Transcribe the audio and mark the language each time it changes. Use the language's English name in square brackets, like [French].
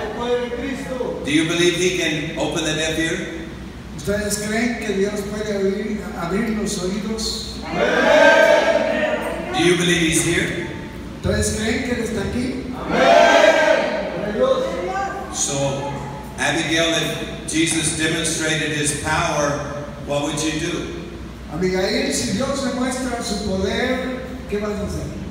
[English] Do you believe he can open the deaf ear? [Spanish] ¿Ustedes creen que Dios puede abrir los oídos? [English] Do you believe he's here? [Spanish] ¿Ustedes creen que él está aquí? [English] So, Abigail, if Jesus demonstrated his power, what would you do? [Spanish] Abigail, si Dios demuestra su poder, ¿qué vas a hacer?